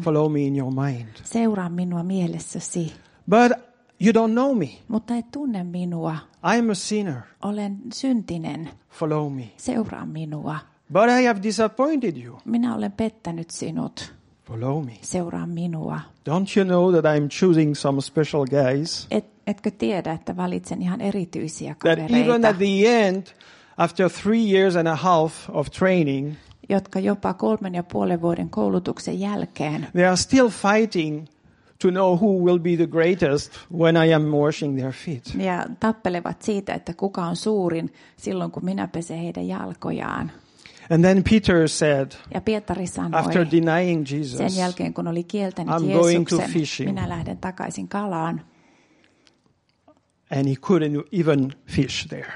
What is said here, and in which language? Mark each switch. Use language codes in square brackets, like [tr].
[en] Follow me in your mind. [fi] Seuraa minua mielessäsi. [en] But You don't know me. [fi] Mutta et tunne minua. [en] I am a sinner. [fi] Olen syntinen. [en] Follow me. [fi] Seuraa minua. [en] But I have disappointed you. [fi] Minä olen pettänyt sinut. [en] Follow me. [fi] Seuraa minua. [en] Don't you know that I'm choosing some special guys? [fi] Etkö tiedä, että valitsen ihan erityisiä kavereita? [en] That even at the end, after 3.5 years of training, [fi] jotka jopa 3.5 vuoden koulutuksen jälkeen, [en] they are still fighting to know who will be the greatest when I am washing their feet. [fi] Ja tappelevat siitä, että kuka on suurin silloin, kun minä pesen heidän jalkojaan. [en] And then Peter said, [fi] ja Pietari sanoi, [en] after denying Jesus, [fi] sen jälkeen, kun oli kieltänyt [en] I'm [fi] Jeesuksen, [en] going to fishing. [fi] Minä lähden takaisin kalaan. [en] And he couldn't even fish there.